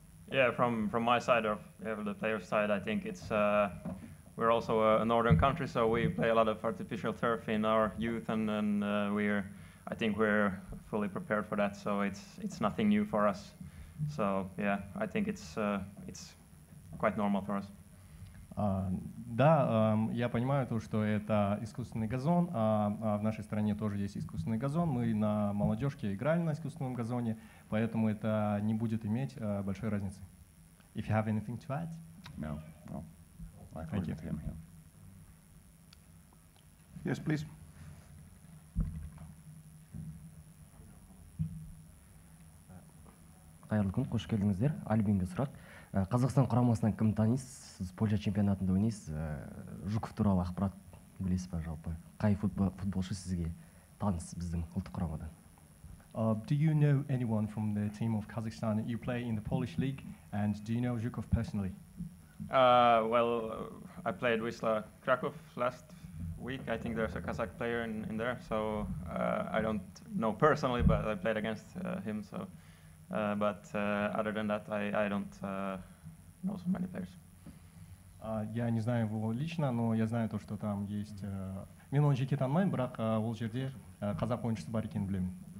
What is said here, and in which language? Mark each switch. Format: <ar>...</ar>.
<en>Yeah, from my side or the player's side, I think it's we're also a northern country, so we play a lot of artificial turf in our youth, and I think we're fully prepared for that. So it's nothing new for us. So yeah, I think it's quite normal for us.</en> <ru>Да, я понимаю то, что это искусственный газон, а в нашей стране тоже есть искусственный газон. Мы на молодежке играли на искусственном газоне, поэтому это не будет иметь большой разницы.</ru> <en>If you have anything to add? No, no. I agree with him here. Yes, please.</en> <kk>Қайырлы күн, қош келдіңіздер. Альбинге сұрақ. Қазақстан құрамасынан кім танисыз? Польша чемпионатында ойнайсыз. Жуков туралы ақпарат білесіз бе жалпы? Қай футболшы сізге таныс біздің ұлттық құрамадан?</kk> <en>Do you know anyone from the team of Kazakhstan? You play in the Polish league, and do you know Zhukov personally? Well, I played Wisla Krakow last week. I think there's a Kazakh player in there, so I don't know personally, but I played against him. So, but other than that, I don't know so many players.</en> <ru>Я не знаю его лично, но я знаю то, что там есть.</ru> <kk>Мен оны жеке танымаймын, бірақ ол жерде қазақ ойыншысы бар екенін білемін.</kk>